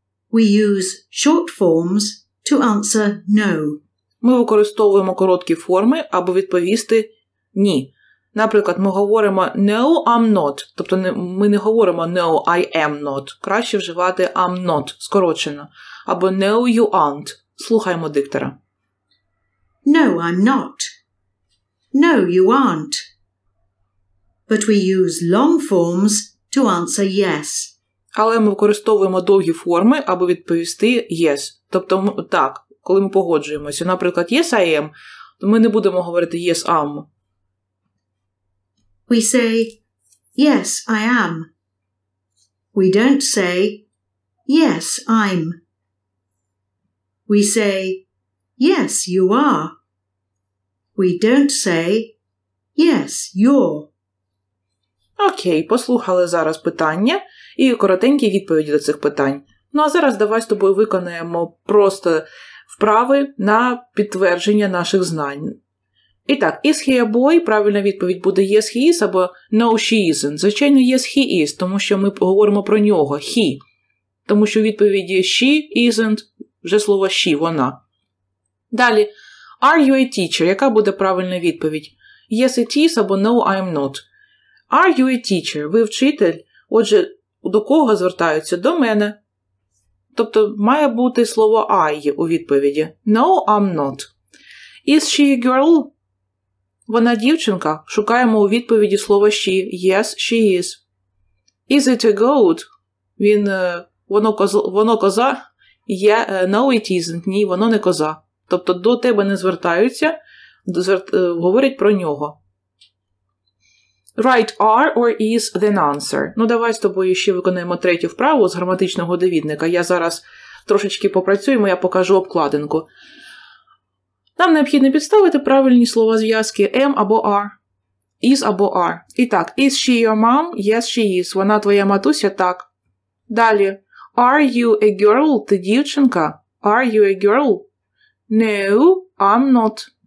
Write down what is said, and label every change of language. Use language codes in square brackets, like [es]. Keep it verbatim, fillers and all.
[en] We use short forms to answer no. [uk] Ми використовуємо короткі форми, аби відповісти «ні». Наприклад, ми говоримо [en] «no, I'm not». [uk] Тобто ми не говоримо [en] «no, I am not». [uk] Краще вживати [en] «I'm not» [uk] скорочено. Або [en] «no, you aren't». [uk] Слухаємо диктора. [en] No, I'm not. No, you aren't. But we use long forms to answer yes. [uk] Але ми використовуємо довгі форми, аби відповісти [en] «yes». [uk] Тобто так. Коли ми погоджуємося, наприклад, [en] yes, I am, [uk] то ми не будемо говорити [en] yes, I'm. We say, yes, I am. We don't say, yes, I'm. We say, yes, you are. We don't say, yes, you're. [uk] Окей, послухали зараз питання і коротенькі відповіді до цих питань. Ну, а зараз давай з тобою виконаємо просто вправи на підтвердження наших знань. І так, [en] is he a boy? [uk] Правильна відповідь буде [en] yes, he is, [uk] або [en] no, she isn't. [uk] Звичайно, [en] yes, he is, [uk] тому що ми говоримо про нього, he. Тому що в відповіді [en] she isn't, [uk] вже слово she, вона. Далі, [en] are you a teacher? [uk] Яка буде правильна відповідь? [en] Yes, it is, [uk] або [en] no, I'm not. Are you a teacher? [uk] Ви вчитель? Отже, до кого звертаються? До мене. Тобто, має бути слово I у відповіді. [en] No, I'm not. Is she a girl? [uk] Вона дівчинка. Шукаємо у відповіді слово she. [en] Yes, she is. Is it a goat? [uk] Він, воно, козо, воно коза? [en] Yeah, no, it isn't. [uk] Ні, воно не коза. Тобто, до тебе не звертаються, зверт, говорять про нього. [en] Right are or is the answer. [uk] Ну, давай з тобою ще виконаємо третю вправу з граматичного довідника. Я зараз трошечки попрацюємо, я покажу обкладинку. Нам необхідно підставити правильні слова зв'язки am або are, is або are. І так, [en] is she your mom? Yes, she is. [uk] Вона твоя матуся? Так. [en] Далі, are you a girl? [uk] Ти дівчинка? [en] Are you a girl? No, I'm not.